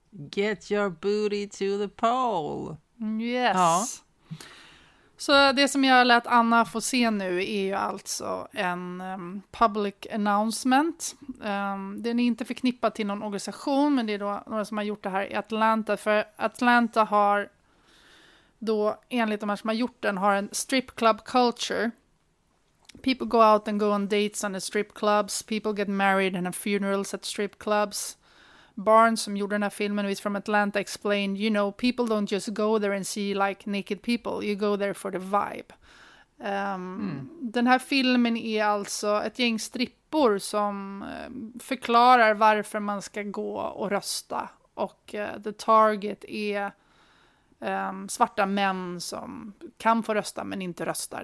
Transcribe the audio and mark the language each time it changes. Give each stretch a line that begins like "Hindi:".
English: Get your booty to the pole.
Swedish: Yes. Ja. Så det som jag lät Anna få se nu är ju alltså en public announcement. Den är inte förknippad till någon organisation, men det är då några som har gjort det här i Atlanta. För Atlanta har då, enligt de här som har gjort den, har en strip club culture.
English: People go out and go on dates on the strip clubs. People get married and have funerals at strip clubs. Barnes,
Swedish: som gjorde den här filmen,
English: is from Atlanta, explained, you know, people don't just go there and see like naked people. You go there for the vibe.
Swedish: Den här filmen är alltså ett gäng strippor som förklarar varför man ska gå och rösta. Och
English: the target
Swedish: är svarta män som kan få rösta men inte röstar.